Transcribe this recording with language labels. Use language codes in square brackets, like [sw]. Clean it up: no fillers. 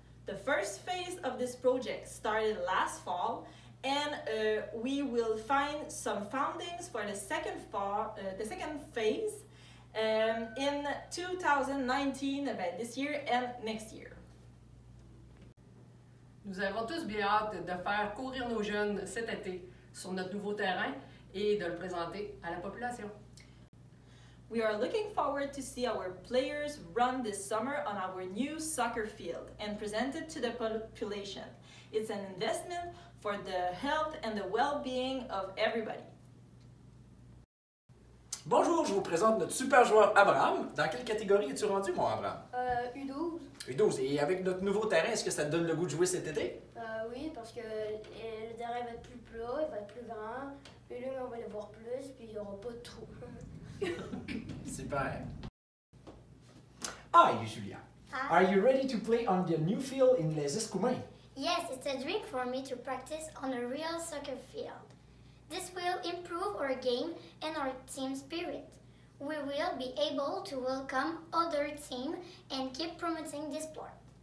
[en] The first phase of this project started last fall, and we will find some fundings for the second phase in 2019, about this year and next year. [fr] Nous avons tous bien hâte de faire courir nos jeunes cet été sur notre nouveau terrain et de le présenter à la population. [en] We are looking forward to see our players run this summer on our new soccer field and present it to the population. It's an investment for the health and the well-being of everybody. [fr] Bonjour, je vous présente notre super joueur Abraham. Dans quelle catégorie es-tu rendu, mon Abraham? U12. Et avec notre nouveau terrain, est-ce que ça te donne le goût de jouer cet été? Oui, parce que le terrain va être plus plat, il va être plus grand. Et lui, on va le voir plus, puis il n'y aura pas de trous. [en] Super. Hi, Julia. Hi. Are you ready to play on the new field in Les Escoumins? Yes, it's a dream for me to practice on a real soccer field. This will improve our game and our team spirit. We will be able to welcome other teams and keep promoting this sport.